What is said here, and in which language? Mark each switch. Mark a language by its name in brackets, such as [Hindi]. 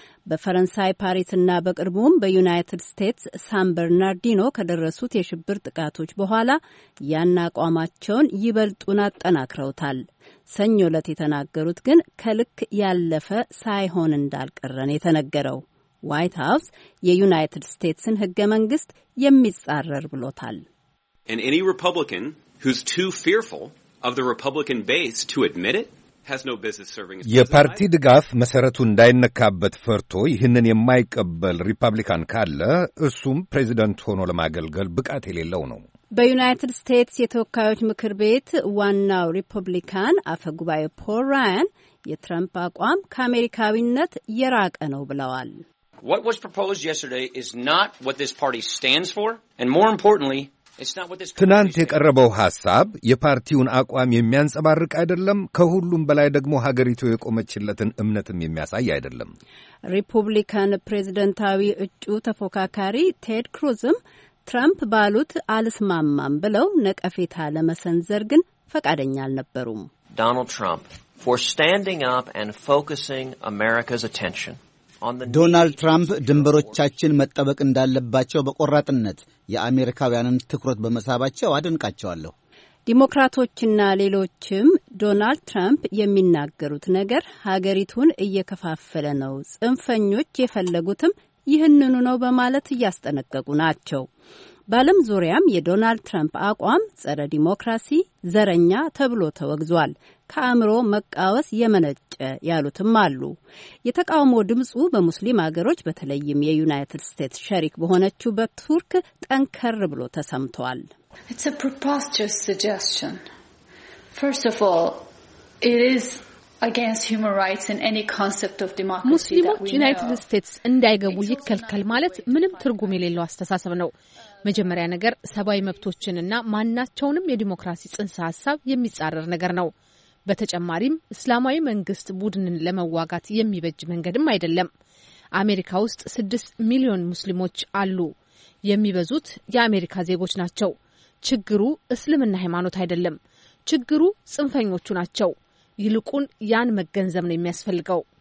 [Amharic] በፈረንሳይ ፓሪስና በቅርቡም በዩናይትድ ስቴትስ ሳን በርናርዲኖ ከደረሱት የሽብር ጥቃቶች በኋላ ያን አቋማቸውን ይበልጡን አጠናክረውታል። ሰኞ ዕለት የተናገሩት ግን ከልክ ያለፈ ሳይሆን እንዳልቀረን የተነገረው ዋይት ሀውስ የዩናይትድ ስቴትስን ሕገ መንግሥት የሚጻረር ብሎታል። [English] And any Republican who's too fearful of the Republican base to admit it has no business serving. [Amharic] የፓርቲ ድጋፍ መሰረቱ እንዳይነካበት ፈርቶ ይህንን የማይቀበል ሪፐብሊካን ካለ እሱም ፕሬዚደንት ሆኖ ለማገልገል ብቃት የሌለው ነው። በዩናይትድ ስቴትስ የተወካዮች ምክር ቤት ዋናው ሪፐብሊካን አፈ ጉባኤ ፖል ራያን የትራምፕ አቋም ከአሜሪካዊነት የራቀ ነው ብለዋል። [English] What was proposed yesterday is not what this party stands for, and more importantly, it's not what this party [Amharic] ትናንት የቀረበው ሐሳብ የፓርቲውን አቋም የሚያንጸባርቅ አይደለም፣ ከሁሉም በላይ ደግሞ ሀገሪቱ የቆመችለትን እምነትም የሚያሳይ አይደለም። ሪፐብሊካን ፕሬዝዳንታዊ እጩ ተፎካካሪ ቴድ ክሩዝም ትራምፕ ባሉት አልስማማም ብለው ነቀፌታ ለመሰንዘር ግን ፈቃደኛ አልነበሩም። [English] ዶናልድ ትራምፕ for standing up and focusing America's attention [Amharic] ዶናልድ ትራምፕ ድንበሮቻችን መጠበቅ እንዳለባቸው በቆራጥነት የአሜሪካውያንን ትኩረት በመሳባቸው አደንቃቸዋለሁ። ዲሞክራቶችና ሌሎችም ዶናልድ ትራምፕ የሚናገሩት ነገር ሀገሪቱን እየከፋፈለ ነው፣ ጽንፈኞች የፈለጉትም ይህንኑ ነው በማለት እያስጠነቀቁ ናቸው። በዓለም ዙሪያም የዶናልድ ትራምፕ አቋም ጸረ ዲሞክራሲ፣ ዘረኛ ተብሎ ተወግዟል። ከአእምሮ መቃወስ የመነጨ ያሉትም አሉ። የተቃውሞ ድምፁ በሙስሊም አገሮች በተለይም የዩናይትድ ስቴትስ ሸሪክ በሆነችው በቱርክ ጠንከር ብሎ ተሰምቷል። [English] It's a preposterous suggestion. First of all, it is against human rights and any concept of democracy that we know. [Amharic] ሙስሊሞች ዩናይትድ ስቴትስ እንዳይገቡ ይከልከል ማለት ምንም ትርጉም የሌለው አስተሳሰብ ነው። መጀመሪያ ነገር ሰብአዊ መብቶችንና ማናቸውንም የዲሞክራሲ ጽንሰ ሐሳብ የሚጻረር ነገር ነው። በተጨማሪም እስላማዊ መንግስት ቡድንን ለመዋጋት የሚበጅ መንገድም አይደለም። አሜሪካ ውስጥ 6 ሚሊዮን ሙስሊሞች አሉ። የሚበዙት የአሜሪካ ዜጎች ናቸው። ችግሩ እስልምና ሃይማኖት አይደለም። ችግሩ ጽንፈኞቹ ናቸው። ይልቁን ያን መገንዘብ ነው የሚያስፈልገው።